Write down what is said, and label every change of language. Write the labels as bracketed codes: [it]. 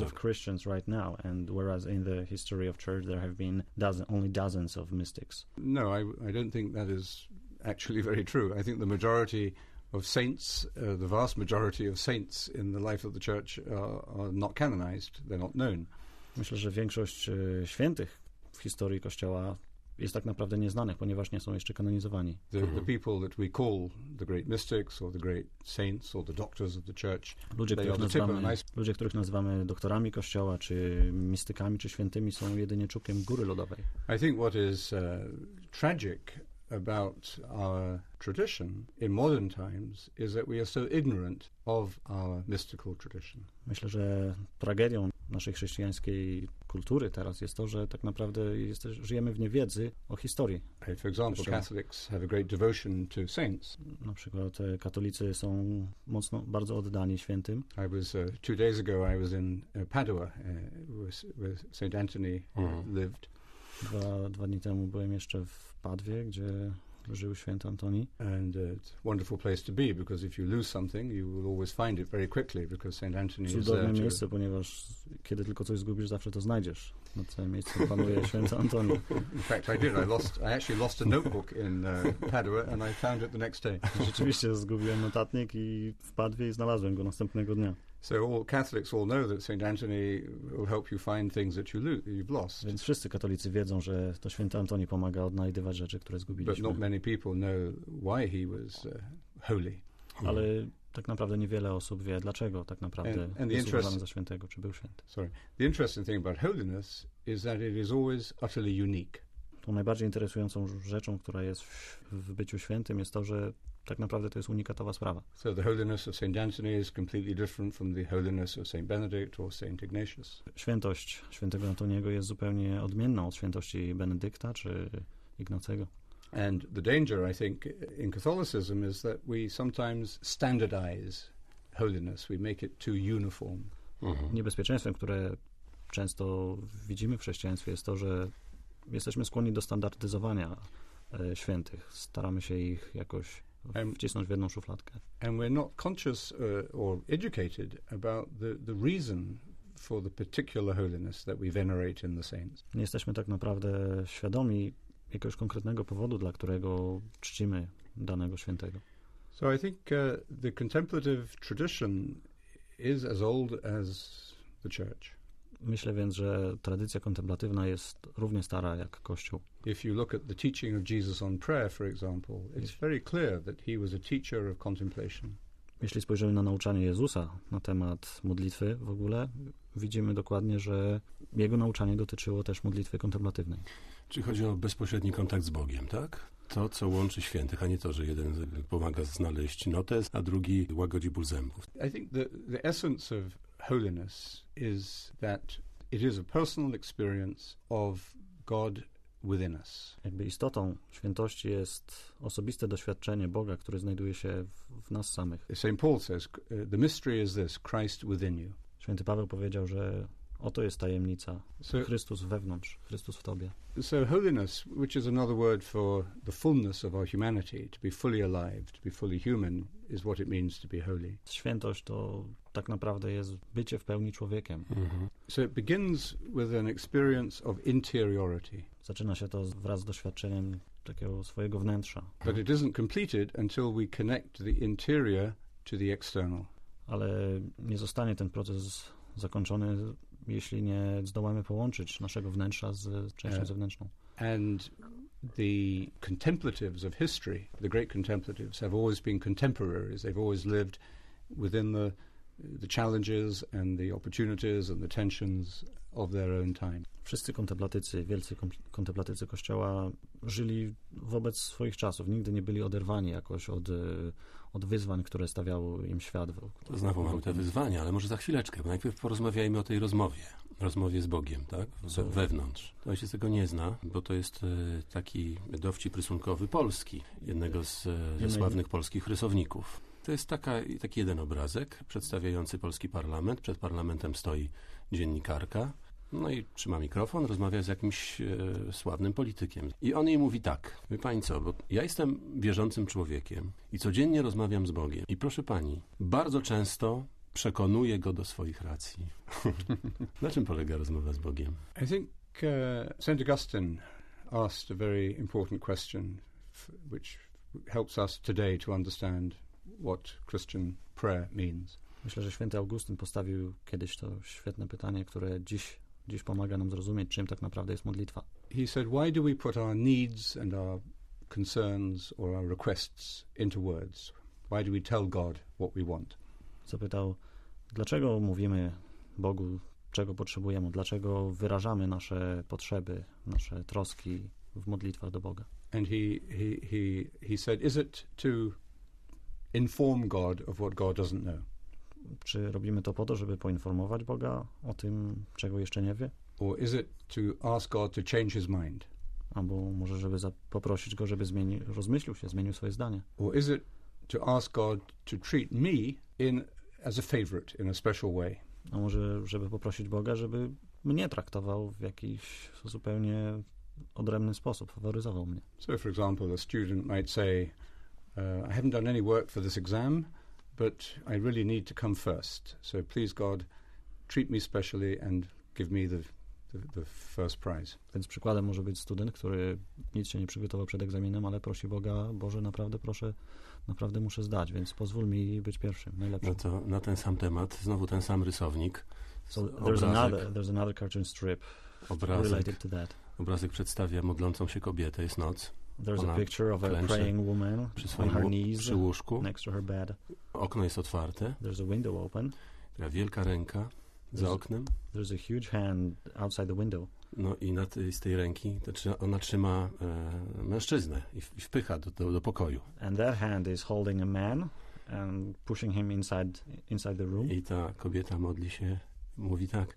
[en] of Christians right now, and whereas in the history of church there have been only dozens of mystics. No, I don't think that is actually very true. I think the majority of saints, the vast majority of saints in the life of the church are not canonized. They're not known. [pl] Myślę, że większość świętych w historii Kościoła jest tak naprawdę nieznanych, ponieważ nie są jeszcze kanonizowani. [en] The people that we call the great mystics or the great saints or the doctors of the church, [pl] ludzie, których nazywamy doktorami Kościoła, czy mistykami, czy świętymi, są jedynie czubkiem góry lodowej. [en] I think what is tragic about our tradition in modern times is that we are so ignorant of our mystical tradition. [pl] Myślę, że tragedią naszej chrześcijańskiej kultury teraz jest to, że tak naprawdę żyjemy w niewiedzy o historii. [en] For example, Catholics have a great devotion to saints. [pl] Na przykład katolicy są mocno, bardzo oddani świętym. [en] I was two days ago I was in Padua where Saint Anthony lived. [pl] Dwa dni temu byłem jeszcze w Padwie, gdzie żył święty Antoni. [en] And it's a wonderful place to be, because if you lose something, you will always find it very quickly, because Saint Anthony is there. [pl] Cudowne miejsce, ponieważ kiedy tylko coś zgubisz, zawsze to znajdziesz. Na tym miejscu panuje święty Antoni. [en] In fact, I did. I actually lost a notebook in Padua, and I found it the next day. [pl] Rzeczywiście zgubiłem notatnik i w Padwie i znalazłem go następnego dnia. [en] So all Catholics all know that Saint Anthony will help you find things that you've lost. [pl] Więc wszyscy katolicy wiedzą, że to święty Antoni pomaga odnajdywać rzeczy, które zgubiliśmy. [en] But not many people know why he was holy. [pl] Ale tak naprawdę niewiele osób wie, dlaczego tak naprawdę jest uważany za świętego, czy był święty. [en] Sorry. The interesting thing about holiness is that it is always utterly unique. [pl] Tą najbardziej interesującą rzeczą, która jest w byciu świętym, jest to, że tak naprawdę to jest unikatowa sprawa. [en] So the holiness of Saint Anthony is completely different from the holiness of Saint Benedict or Saint Ignatius. [pl] Świętość świętego Antoniego jest zupełnie odmienna od świętości Benedykta czy Ignacego. [en] And the danger, I think, in Catholicism is that we sometimes standardize holiness. We make it too uniform. [pl] Niebezpieczeństwem, które często widzimy w chrześcijaństwie, jest to, że jesteśmy skłonni do standardyzowania świętych. Staramy się ich jakoś wcisnąć w jedną szufladkę. [en] And we're not conscious or educated about the reason for the particular holiness that we venerate in the saints. [pl] Nie jesteśmy tak naprawdę świadomi jakiegoś konkretnego powodu, dla którego czcimy danego świętego. [en] So I think the contemplative tradition is as old as the church. [pl] Myślę więc, że tradycja kontemplatywna jest równie stara jak Kościół. [en] If you look at the teaching of Jesus on prayer, for example, it's very clear that he was a teacher of contemplation. [pl] Jeśli spojrzymy na nauczanie Jezusa na temat modlitwy w ogóle, widzimy dokładnie, że jego nauczanie dotyczyło też modlitwy kontemplatywnej. Czy chodzi o bezpośredni kontakt z Bogiem, tak? To, co łączy świętych, a nie to, że jeden pomaga znaleźć notes, a drugi łagodzi ból zębów. [en] I think the essence of holiness is that it is a personal experience of God within us. [pl] Jakby istotą świętości jest osobiste doświadczenie Boga, które znajduje się w nas samych. [en] Saint Paul says, the mystery is this, Christ within you. [pl] Święty Paweł powiedział, że oto jest tajemnica, Chrystus wewnątrz, Chrystus w tobie. [en] So holiness, which is another word for the fullness of our humanity, to be fully alive, to be fully human, is what it means to be holy. [pl] Świętość to tak naprawdę jest bycie w pełni człowiekiem. [en] So it begins with an experience of interiority. [pl] Zaczyna się to wraz z doświadczeniem takiego swojego wnętrza. [en] But it isn't completed until we connect the interior to the external. [pl] Ale nie zostanie ten proces zakończony, jeśli nie zdołamy połączyć naszego wnętrza z częścią zewnętrzną. [en] And the contemplatives of history, the great contemplatives, have always been contemporaries. They've always lived within the challenges and the opportunities and the tensions of their own time. [pl] Wszyscy kontemplatycy, wielcy kontemplatycy Kościoła żyli wobec swoich czasów. Nigdy nie byli oderwani jakoś od wyzwań, które stawiał im świat. Znowu mamy te wyzwania, ale może za chwileczkę, bo najpierw porozmawiajmy o tej rozmowie. rozmowie z Bogiem, tak? Wewnątrz. Ojciec tego nie zna, bo to jest taki dowcip rysunkowy polski, jednego ze sławnych polskich rysowników. To jest taki jeden obrazek przedstawiający polski parlament. Przed parlamentem stoi dziennikarka, no i trzyma mikrofon, rozmawia z jakimś sławnym politykiem. I on jej mówi tak, wie pani co, bo ja jestem wierzącym człowiekiem i codziennie rozmawiam z Bogiem. I proszę pani, bardzo często przekonuje go do swoich racji. Na czym polega rozmowa z Bogiem? [en] I think Saint Augustine asked a very important question, which helps us today to understand what Christian prayer means. [pl] Myślę, że Święty Augustyn postawił kiedyś to świetne pytanie, które dziś pomaga nam zrozumieć, czym tak naprawdę jest modlitwa. [en] He said, why do we put our needs and our concerns or our requests into words? Why do we tell God what we want? [pl] Zapytał, dlaczego mówimy Bogu, czego potrzebujemy, dlaczego wyrażamy nasze potrzeby, nasze troski w modlitwach do Boga. [en] And he said, is it to inform God of what God doesn't know? [pl] Czy robimy to po to, żeby poinformować Boga o tym, czego jeszcze nie wie? [en] Or is it to ask God to change his mind? [pl] Albo może, żeby poprosić Go, żeby rozmyślił się, zmienił swoje zdanie. [en] Or is it to ask God to treat me as a favorite, in a special way. [pl] A może, żeby poprosić Boga, żeby mnie traktował w jakiś zupełnie odrębny sposób, faworyzował mnie. [en] So, for example, a student might say, I haven't done any work for this exam, but I really need to come first. So, please God, treat me specially and give me the first prize. [pl] Więc przykładem może być student, który nic się nie przygotował przed egzaminem, ale prosi Boga, Boże, naprawdę proszę, naprawdę muszę zdać, więc pozwól mi być pierwszym, najlepszym. No to na ten sam temat, znowu ten sam rysownik. [en] So there's another cartoon strip related to that. [pl] Obrazek przedstawia modlącą się kobietę, jest noc. [en] There's a picture of a praying woman on her knees [pl] przy łóżku. [en] Next to her bed. [pl] Okno jest otwarte. [en] There's a window open. [pl] Ta wielka ręka za oknem. [en] There's a huge hand outside the window. [pl] No i z tej ręki, ona trzyma mężczyznę i wpycha do pokoju. [en] And that hand is holding a man and pushing him inside the room. [pl] I ta kobieta modli się, mówi tak.